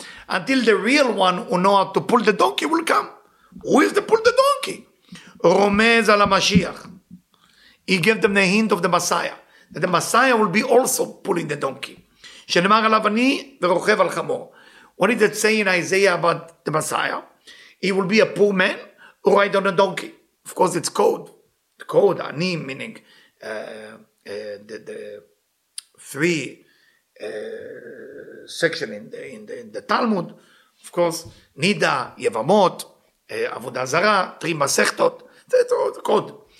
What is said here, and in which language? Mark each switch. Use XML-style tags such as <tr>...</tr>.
<en>Until the real one who know how to pull the donkey will come. Who is the pull the donkey?</en> <he>רומז על המשיח.</he> <en>He gave them the hint of the Messiah. That the Messiah will be also pulling the donkey.</en> <he>שנאמר עליו אני ורוכב על חמור.</he> <en>What did it say in Isaiah about the Messiah? He will be a poor man who ride on a donkey. Of course it's code. The code, ani, meaning the three section in the Talmud, of course, Nida, Yevamot, Avodah Zara, three Masechtot, that's all the code.</en>